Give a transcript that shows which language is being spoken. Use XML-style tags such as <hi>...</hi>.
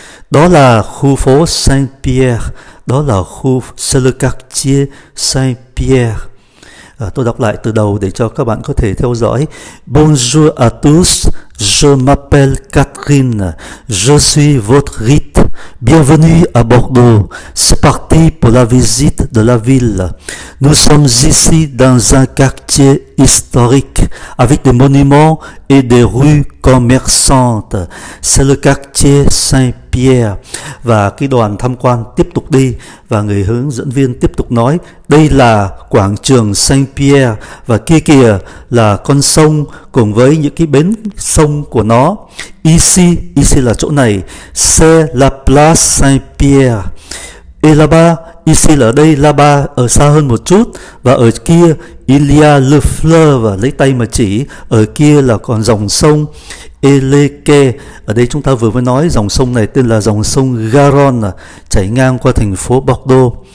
<vi>Đó là khu phố Saint-Pierre, đó là khu</vi> <fr>c'est le quartier Saint-Pierre.</fr> <vi>Tôi đọc lại từ đầu để cho các bạn có thể theo dõi.</vi> <fr>Bonjour à tous, je m'appelle Catherine, je suis votre hôte. Bienvenue à Bordeaux, c'est parti pour la visite de la ville. Nous sommes ici dans un quartier historique avec des monuments et des rues commerçantes. C'est le quartier Saint-Pierre.</fr> <vi>Và cái đoàn tham quan tiếp tục đi và người hướng dẫn viên tiếp tục nói, đây là quảng trường Saint-Pierre và kia kìa là con sông cùng với những cái bến sông của nó.</vi> <fr>Ici</fr> <vi>là chỗ này,</vi> <fr>c'est la place Saint-Pierre. Et là-bas,</fr> <vi>ici là đây, là-bas ở xa hơn một chút, và ở kia,</vi> <fr>il y a le fleuve,</fr> <vi>và lấy tay mà chỉ, ở kia là còn dòng sông,</vi> <fr>et les quais.</fr> <vi>Ở đây chúng ta vừa mới nói, dòng sông này tên là dòng sông Garonne, chảy ngang qua thành phố Bordeaux.</vi>